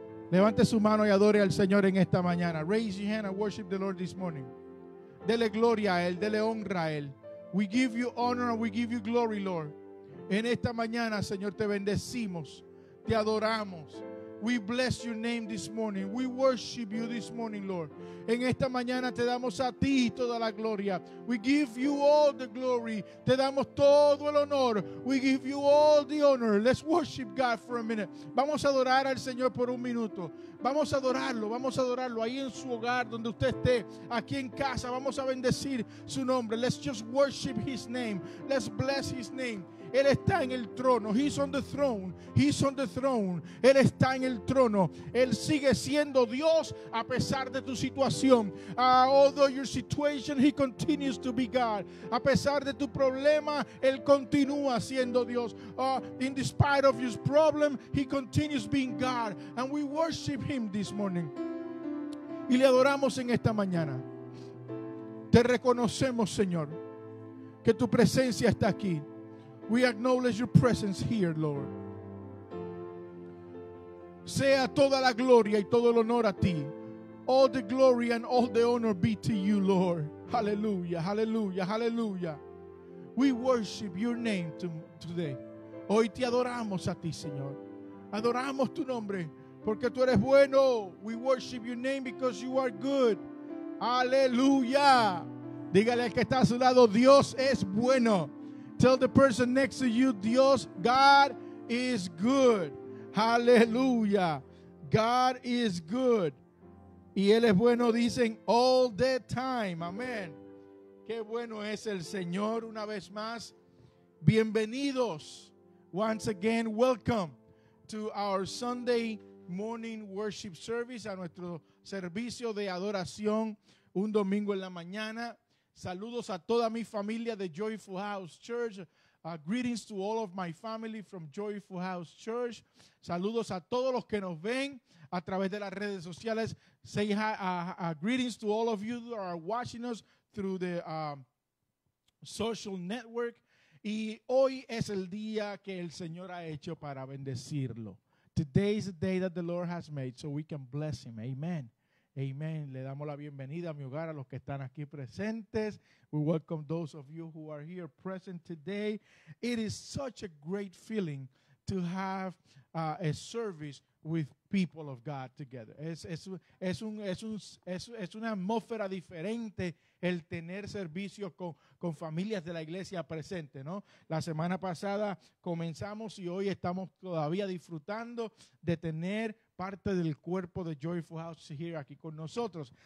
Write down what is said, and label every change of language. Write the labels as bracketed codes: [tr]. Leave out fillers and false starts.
[es] Levante su mano y adore al Señor en esta mañana. [en] Raise your hand and worship the Lord this morning. [es] Dele gloria a Él, dele honra a Él. [en] We give you honor and we give you glory, Lord. [es] En esta mañana, Señor, te bendecimos, te adoramos. [en] We bless your name this morning. We worship you this morning, Lord. [es] En esta mañana te damos a ti toda la gloria. [en] We give you all the glory. [es] Te damos todo el honor. [en] We give you all the honor. Let's worship God for a minute. [es] Vamos a adorar al Señor por un minuto. Vamos a adorarlo, vamos a adorarlo. Ahí en su hogar, donde usted esté, aquí en casa, vamos a bendecir su nombre. [en] Let's just worship his name. Let's bless his name. [es] Él está en el trono. [en] He's on the throne. He's on the throne. [es] Él está en el trono. Él sigue siendo Dios a pesar de tu situación. [en] Although your situation, he continues to be God. [es] A pesar de tu problema, él continúa siendo Dios. [en] In despite of your problem, he continues being God. And we worship him this morning. [es] Y le adoramos en esta mañana. Te reconocemos, Señor, que tu presencia está aquí. [en] We acknowledge your presence here, Lord. [es] Sea toda la gloria y todo el honor a ti. [en] All the glory and all the honor be to you, Lord. Hallelujah, hallelujah, hallelujah. We worship your name today. [es] Hoy te adoramos a ti, Señor. Adoramos tu nombre porque tú eres bueno. [en] We worship your name because you are good. Hallelujah. [es] Dígale al que está a su lado, Dios es bueno. [en] Tell the person next to you, Dios, God is good. Hallelujah. God is good. [es] Y Él es bueno, dicen, [en] all the time. [es] Amén. Qué bueno es el Señor una vez más. Bienvenidos. [en] Once again, welcome to our Sunday morning worship service, [es] a nuestro servicio de adoración un domingo en la mañana. Saludos a toda mi familia de Joyful House Church. [en] Greetings to all of my family from Joyful House Church. [es] Saludos a todos los que nos ven a través de las redes sociales. [en] Say hi, greetings to all of you who are watching us through the social network. [es] Y hoy es el día que el Señor ha hecho para bendecirlo. [en] Today is the day that the Lord has made so we can bless him. Amen. Amen. [es] Le damos la bienvenida a mi hogar a los que están aquí presentes. [en] We welcome those of you who are here present today. It is such a great feeling to have a service with people of God together. [es] Es una atmósfera diferente el tener servicio con familias de la iglesia presente, ¿no? La semana pasada comenzamos y hoy estamos todavía disfrutando de tener parte del cuerpo de Joyful House here aquí con nosotros.